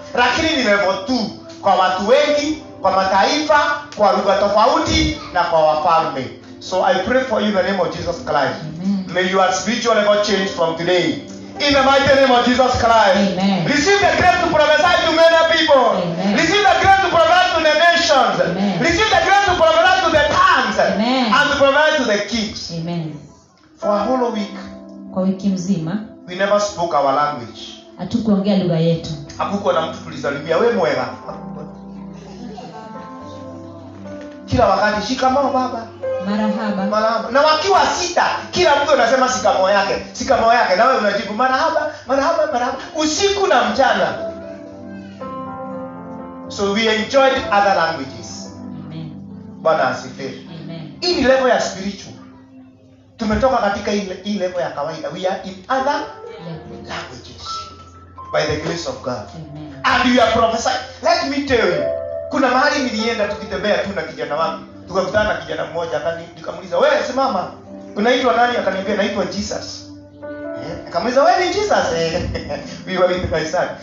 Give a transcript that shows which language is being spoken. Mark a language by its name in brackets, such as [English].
[Swahili] Lakini ni level 2 kwa watu wengi. Kwa mataifa, kwa lugha tofauti, na kwa wafalme. [English] So I pray for you in the name of Jesus Christ. Amen. May your spiritual level change from today. In the mighty name of Jesus Christ. Amen. Receive the grace to prophesy to many people. Amen. Receive the grace to prophesy to the nations. Amen. Receive the grace to prophesy to the tongues. Amen. And to prophesy to the kings. Amen. For a whole week. [Swahili] Kwa wiki mzima. [English] We never spoke our language. [Swahili] Hatukuongea lugha yetu. Hakukuwa na mtu tulizalimia. Wewe mwema. Kila wakati shikamoo baba. Marahaba. Marahaba. Na wakiwa sita, kila mtu anasema shikamoo yake. Shikamoo yake. Na wewe unajibu marahaba, marahaba, marahaba. Usiku na mchana. [English] So we enjoyed other languages. Amen. [Swahili] Bwana asifiwe. [English] Amen. [Swahili] Hii ni level ya spiritual. Tumetoka katika hii level ya kawaida. [English] We are in other languages. By the grace of God. Amen. And you are prophesying. Let me tell you. [Swahili] Kuna mahali nilienda tukitembea tu na kijana wangu. Tukakutana na kijana mmoja akanikamuliza, "Wewe simama. Unaitwa nani?" Akaniambia, "Naitwa Jesus." Eh? Akamuliza, "Wewe ni Jesus?" Eh. [English] We were in the same.